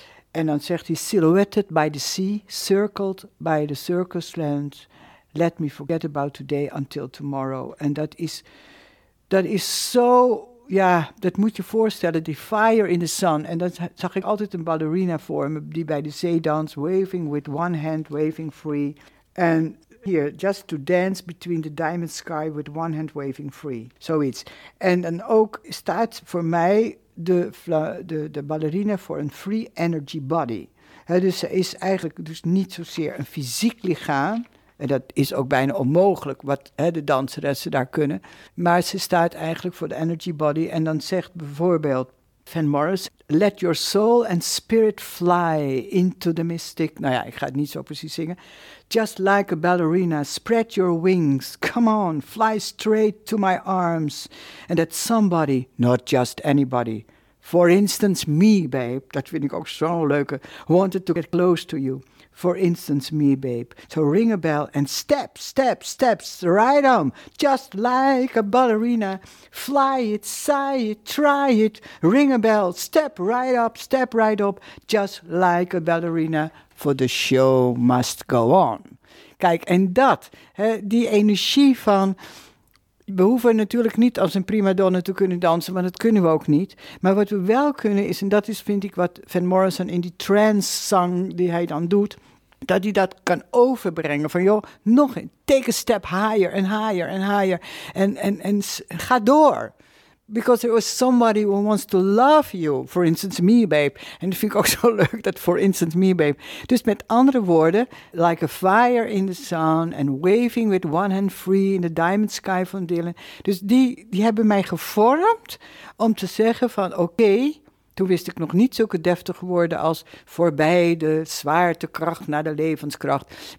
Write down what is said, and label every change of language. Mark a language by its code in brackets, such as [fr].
[en] En dan zegt hij, silhouetted by the sea, circled by the circus land, let me forget about today until tomorrow. [nl] En dat is zo, dat moet je voorstellen, die fire in the sun. En dan zag ik altijd een ballerina voor me die bij de zee danst, waving with one hand, waving free. [en] En hier, just to dance between the diamond sky with one hand waving free. [nl] Zoiets. En dan ook staat voor mij de ballerina voor een free energy body. Dus ze is eigenlijk dus niet zozeer een fysiek lichaam. En dat is ook bijna onmogelijk wat de danseressen daar kunnen. Maar ze staat eigenlijk voor de energy body. En dan zegt bijvoorbeeld Van Morris, let your soul and spirit fly into the mystic. Nou ja, ik ga het niet zo precies zingen. [en] Just like a ballerina, spread your wings. Come on, fly straight to my arms. And that somebody, not just anybody, for instance me, babe. [nl] Dat vind ik ook zo'n leuke. [en] Wanted to get close to you. For instance me, babe. So ring a bell and step, step, steps right on. Just like a ballerina. Fly it, sigh it, try it. Ring a bell, step right up. Just like a ballerina. For the show must go on. [nl] Kijk, en dat, hè, die energie van... We hoeven natuurlijk niet als een prima donna te kunnen dansen, want dat kunnen we ook niet. Maar wat we wel kunnen is, en dat is vind ik wat Van Morrison in die trance song die hij dan doet, dat hij dat kan overbrengen van, joh, nog een, take a step higher and higher and higher. En ga door. [en] Because there was somebody who wants to love you, for instance me, babe. [nl] En dat vind ik ook zo leuk, dat for instance me, babe. Dus met andere woorden, like a fire in the sun and waving with one hand free in the diamond sky van Dylan. Dus die hebben mij gevormd om te zeggen van, okay, toen wist ik nog niet zulke deftige woorden als voorbij de zwaartekracht naar de levenskracht.